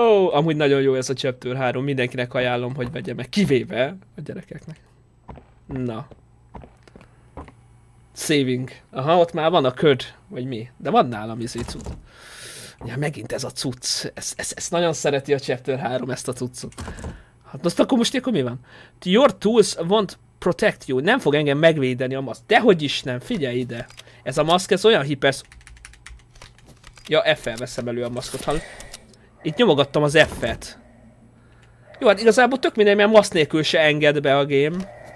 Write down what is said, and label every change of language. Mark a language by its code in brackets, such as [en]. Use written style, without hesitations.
[hu] Amúgy nagyon jó ez a chapter 3, mindenkinek ajánlom, hogy vegye meg, kivéve a gyerekeknek. Na. Saving. Aha, ott már van a köd, vagy mi? De van nálam izé cucc. Ja, megint ez a cucc. Ez nagyon szereti a chapter 3, ezt a cuccot. Hát most akkor most akkor mi van? [en] Your tools won't protect you. [hu] Nem fog engem megvédeni a maszk. Dehogy is nem, figyelj ide. Ez a maszk, ez olyan hipersz... Ja, F-el veszem elő a maszkot, hall. Itt nyomogattam az F-et. Jó, hát igazából tök minden, mert maszk nélkül se enged be a game.